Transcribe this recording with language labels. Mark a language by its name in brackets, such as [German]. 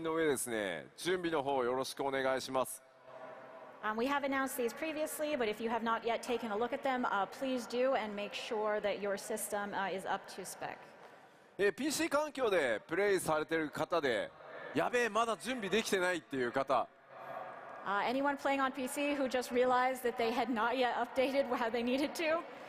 [Japanese] させていただいてますが、ぜひご確認の上ですね、準備の方をよろしくお願いします。 [English] We have announced these previously, but if you have not yet taken a look at them, please do and make sure that your system is up to spec. [Japanese] PC環境でプレイされてる方で、やべえ、まだ準備できてないっていう方。 [English] Anyone playing on PC who just realized that they had not yet updated where they needed to?